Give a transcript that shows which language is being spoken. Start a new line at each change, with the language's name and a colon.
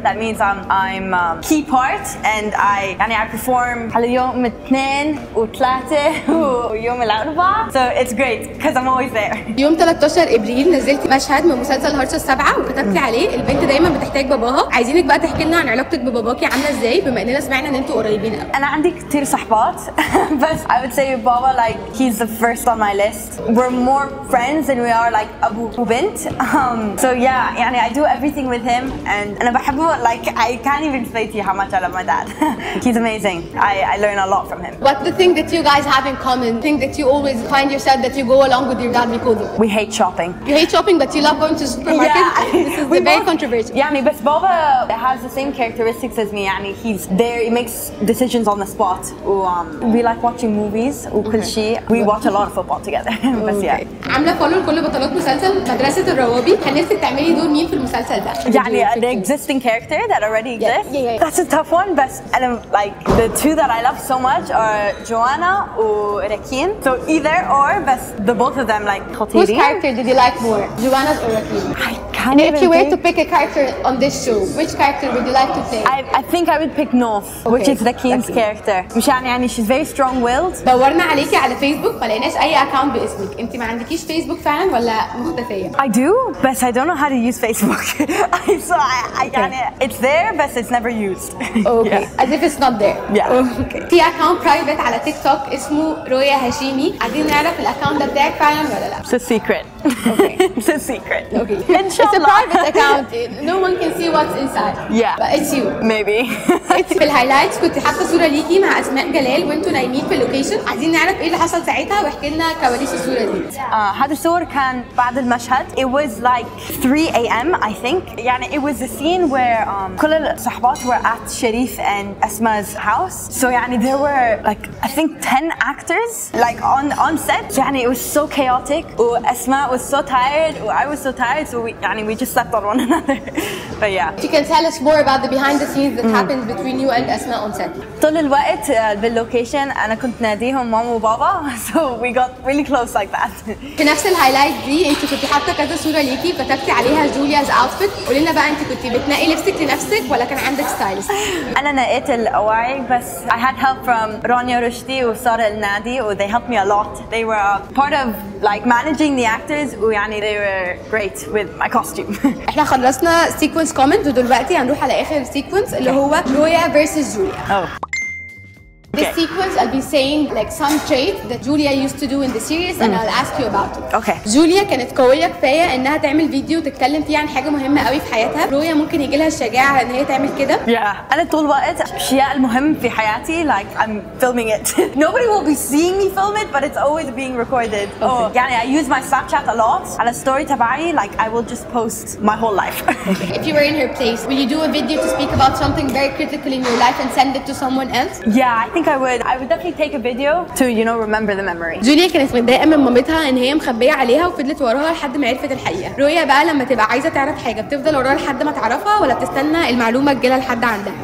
English: That means I'm key part and I perform
Arabic: على يوم الاثنين وثلاثة ويوم الأربعاء.
English: So it's great because I'm always there.
Arabic: يوم 13 ابريل نزلت مشهد من مسلسل هرشا السبعة وكتبت عليه البنت دايما بتحتاج باباها. عايزينك بقى تحكي لنا عن علاقتك بباباكي عامله ازاي بما اننا سمعنا ان انتوا قريبين قوي. انا عندي كتير صحبات بس
English: I would say بابا like he's the first on my list. We're more friends than we are like
Arabic: ابو وبنت.
English: So yeah, يعني I do everything with him and
Arabic: انا بحبه
English: like I can't even say to you how much I love my dad. He's amazing. I learn a lot from him. What's the thing that you guys have in common? Thing that you always find yourself that you go along with your dad because of? We hate shopping. You hate shopping but you love going to supermarket? Yeah, this is very controversial. Yeah, but بابا has the same characteristics as me. يعني he's there, he makes decisions on the spot. We like watching movies.
Arabic: وكل شيء.
English: We watch a lot of football together.
Arabic: بس يا. عاملة فولو لكل بطلات مسلسل مدرسة الروابي. كان نفسك تعملي دور مين في المسلسل ده؟
English: يعني the existing character that already exists. Yeah, yeah, yeah. That's a tough one. بس and like the two that I love so much are Joanna and Rakin. So either or, بس the both of them like. Whose character did you like more, Joanna or Rakin? I can't even. If you were to pick a character on this show, which character would you like to play? I think I would pick Noof, okay. Which is Rakim's okay. character. يعني she's very strong-willed.
Arabic: دورنا عليكي على فيسبوك ما لقيناش اي اكونت باسمك. انت ما عندكيش فيسبوك فعلا ولا مختفيه؟
English: I do, but I don't know how to use Facebook. It's there, but it's never used. Okay. Yeah. As if it's not there. Yeah. Okay.
Arabic: في اكونت برايفت على تيك توك اسمه رويا هاشيمي. عايزين نعرف الاكونت ده بتاعك فعلا ولا لا؟
English: It's a secret. Okay. It's a secret. Okay. Inshallah. It's a private account. No one can see what's inside. Yeah. It's you. Maybe.
Arabic: في الهايلايت كنت حاطه صوره ليكي مع اسماء جلال وانتوا نايمين في اللوكيشن. عايزين نعرف ايه اللي حصل ساعتها واحكي لنا كواليس الصوره دي. هذا الصور كان بعد المشهد.
English: It was like 3 a.m. I think. يعني it was a scene where
Arabic: كل الصحبات
English: were at Sharif and Asma's house. So يعني there were like I think 10 actors like on set. يعني it was so chaotic. واسماء was so tired. I was so tired. So we يعني we just slept on one another. But yeah. If you can tell us more about the behind the scenes that happened between you and Asma on set.
Arabic: طول الوقت باللوكيشن أنا كنت ناديهم ماما وبابا.
English: So we got really close like that.
Arabic: في نفس الهايلايت دي انت كنت حاطه كذا صوره ليكي كتبتي عليها جوليا's outfit. قولي لنا بقى انت كنت بتنقي لبسك لنفسك ولا كان عندك ستايلست؟ انا نقيت الاواعي بس
English: I had help from رانيا رشدي وساره النادي و they helped me a lot. They were part of like managing the actors و يعني they were great with my costume.
Arabic: احنا خلصنا
English: sequence comment
Arabic: ودلوقتي هنروح على اخر sequence اللي هو جويا versus جوليا.
English: Okay. This sequence, I'll be saying like some traits that Julia used to do in the series, and I'll ask you about it. Okay.
Arabic: Julia كانت قوية كفاية إنها تعمل فيديو تتكلم فيه عن حاجة مهمة قوي في حياتها. رويا ممكن يجي لها الشجاعة إن هي تعمل كده.
English: Yeah.
Arabic: أنا طول الوقت الأشياء المهمة في حياتي
English: like I'm filming it. Nobody will be seeing me film it, but it's always being recorded. Okay. Oh. يعني I use my Snapchat a lot. على story تبعي like I will just post my whole life. Okay. If you were in her place, will you do a video to speak about something very critical in your life and send it to someone else? Yeah. I would definitely take a video to you know remember the memory.
Arabic: جوليا كانت متضايقه من مامتها ان هي مخبيه عليها وفضلت وراها لحد ما عرفت الحقيقه. رويا بقى لما تبقى عايزه تعرف حاجه بتفضل وراها لحد ما تعرفها ولا بتستنى المعلومه تجيلها لحد عندها؟